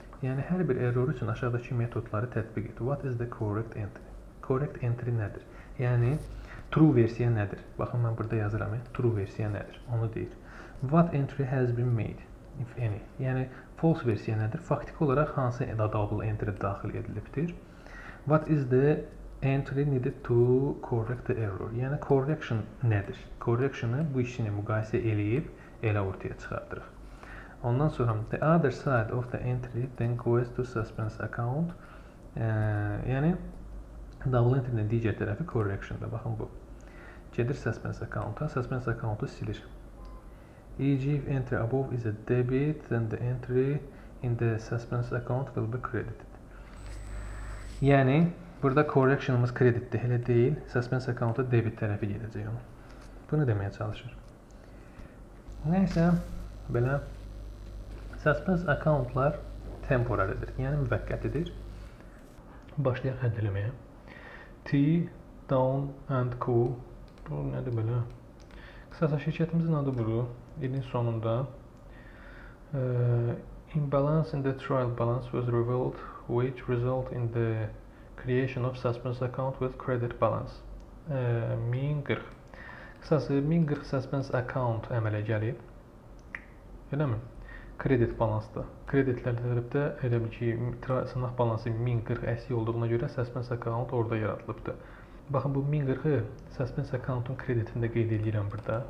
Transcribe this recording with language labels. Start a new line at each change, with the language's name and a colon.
Azerbaijani: Yəni, hər bir error üçün aşağıdakı metodları tətbiq et.
English: What is the correct entry?
Azerbaijani: Correct entry nədir? Yəni, true versiya nədir? Baxın, mən burada yazıram, true versiya nədir? Onu deyir.
English: What entry has been made, if any?
Azerbaijani: Yəni, false versiya nədir? Faktik olaraq, hansı double entry daxil edilibdir?
English: What is the entry needed to correct the error?
Azerbaijani: Yəni, correction nədir? Correction-ı bu işini müqayisə eləyib, elə ortaya çıxardırıq. Ondan sonra,
English: the other side of the entry then goes to suspense account.
Azerbaijani: Yəni, double entry-nin digər tərəfi correction-da. Baxın, bu. Gedir suspense account-a, suspense account-u silir. E.g.
English: if entry above is a debit, then the entry in the suspense account will be credited.
Azerbaijani: Yəni, burada correction-ımız kreditdir, elə deyil, suspense account-a debit tərəfi gedəcək onu. Bunu deməyə çalışır. Nəsə, belə, suspense account-lar temporaridir, yəni müvəqqətidir. Başlayaq həddələməyə. T, Down and Co. Bu nədir belə? Qısaca, şirkətimizin adı budur, ilin sonunda.
English: Imbalance in the trial balance was revealed, which result in the creation of suspense account with credit balance. 1040.
Azerbaijani: Qısası, 1040 suspense account əmələ gəlib. Elə mi? Kredit balansda. Kreditlər tərəfdə elə bil ki, sınaq balansı 1040 əsli olduğuna görə suspense account orada yaradılıbdır. Baxın, bu 1040-ı suspense accountun kreditində qeyd edirəm burada.